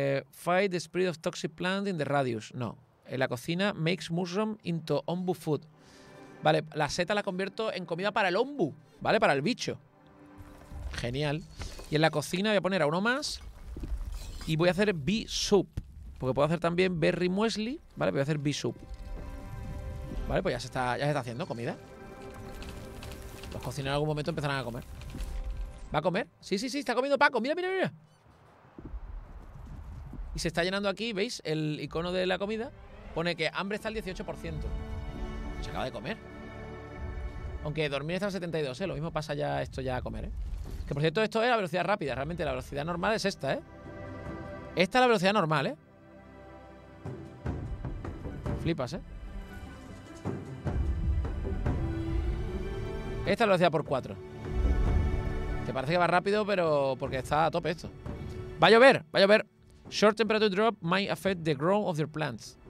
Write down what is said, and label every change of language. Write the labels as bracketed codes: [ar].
[en] Fight the spread of toxic plant in the radius. [es] No. En la cocina, [en] makes mushroom into ombu food. [es] Vale, la seta la convierto en comida para el ombu. Vale, para el bicho. Genial. Y en la cocina voy a poner a uno más. Y voy a hacer bee soup. Porque puedo hacer también berry muesli. Vale, voy a hacer bee soup. Vale, pues ya se está haciendo comida. Los cocineros en algún momento empezarán a comer. ¿Va a comer? Sí, sí, sí, está comiendo Paco. Mira, mira, mira. Y se está llenando aquí, ¿veis? El icono de la comida. Pone que hambre está al 18%. Se acaba de comer. Aunque dormir está al 72%, ¿eh? Lo mismo pasa ya esto ya a comer, ¿eh? Que por cierto, esto es la velocidad rápida. Realmente la velocidad normal es esta, ¿eh? Esta es la velocidad normal, ¿eh? Flipas, ¿eh? Esta es la velocidad por 4. Te parece que va rápido, pero porque está a tope esto. Va a llover, va a llover. [en] Short temperature drop might affect the growth of your plants.